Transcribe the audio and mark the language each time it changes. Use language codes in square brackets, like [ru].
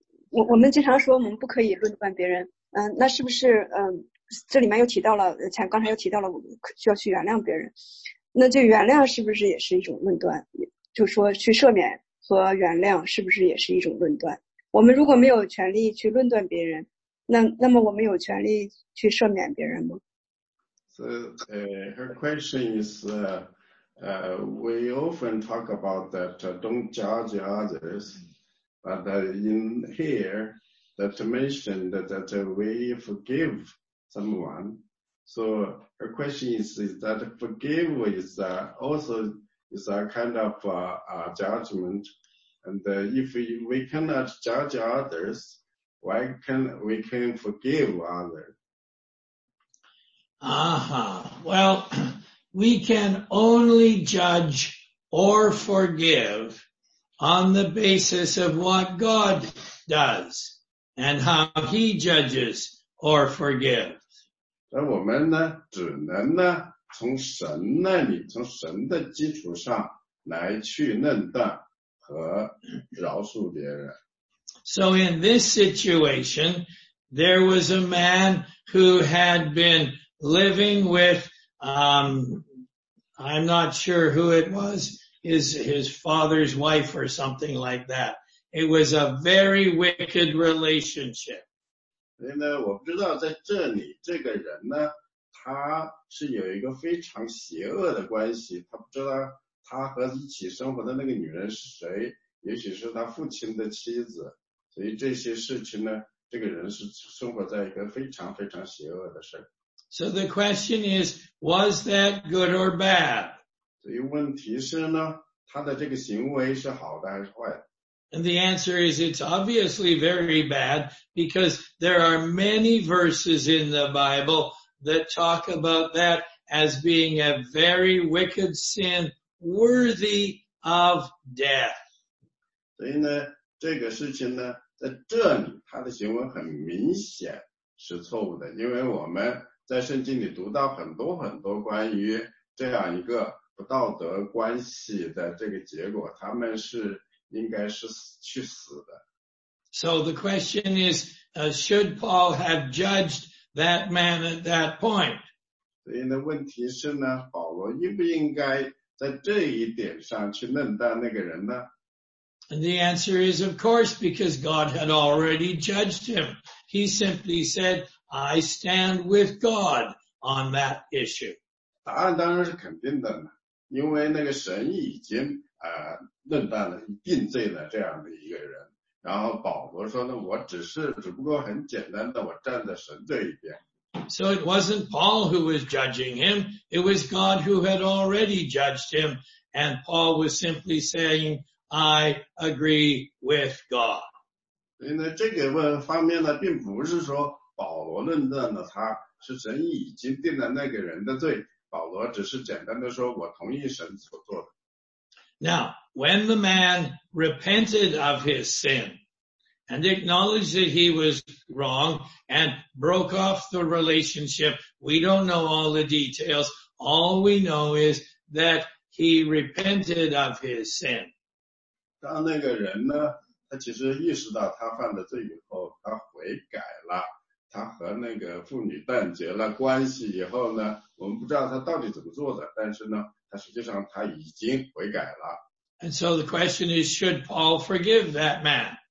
[zh] 我们经常说我们不可以论断别人。那是不是这里面又提到了，前刚才又提到了我们需要去原谅别人。那就原谅是不是也是一种论断？就说去赦免和原谅是不是也是一种论断？我们如果没有权利去论断别人，那么我们有权利去赦免别人吗？ [en] So, her question is, we often talk about that, don't judge others, but in here, that mentioned that we forgive someone. So, her question is that forgive is also is a kind of a judgment, and if we cannot judge others,Why can forgive others? Well, we can only judge or forgive on the basis of what God does and how he judges or forgives. [zh] 那我们呢，只能呢，从神那里，从神的基础上来去论断和饶恕别人。 [en] So in this situation, there was a man who had been living with, I'm not sure who it was, his father's wife or something like that. It was a very wicked relationship. [zh] 所以呢，我不知道在这里这个人呢，他是有一个非常邪恶的关系，他不知道他和一起生活的那个女人是谁，也许是他父亲的妻子。所以这些事情呢，这个人是生活在一个非常非常邪恶的事。 [en] So the question is, was that good or bad? [zh] 所以问题是呢，他的这个行为是好的还是坏的？ [en] And the answer is, it's obviously very bad, because there are many verses in the Bible that talk about that as being a very wicked sin worthy of death. [zh] 所以呢，这个事情呢，在这里他的行为很明显是错误的，因为我们在圣经里读到很多很多关于这样一个不道德关系的这个结果，他们是应该是去死的。 [en] So the question is, should Paul have judged that man at that point? [zh] 所以呢问题是呢保罗应不应该在这一点上去论断那个人呢 [en] And the answer is of course because God had already judged him. He simply said, I stand with God on that issue. [zh] 答案当然是肯定的呢因为那个神已经论断了定罪了这样的一个人然后保罗说呢我只不过很简单的我站在神这一边 [en] So it wasn't Paul who was judging him it was God who had already judged him and Paul was simply saying I agree with God [zh] 所以呢这个方面呢并不是说保罗论断了他是神已经定了那个人的罪保罗只是简单的说我同意神所做的 [en] Now, when the man repented of his sin and acknowledged that he was wrong and broke off the relationship, we don't know all the details. All we know is that he repented of his sin. [zh] 当那个人呢他其实意识到他犯了罪以后他悔改了他和那个妇女断绝了关系以后呢我们不知道他到底怎么做的但是呢他实际上他已经悔改了 [en] And so the question is should Paul forgive that man?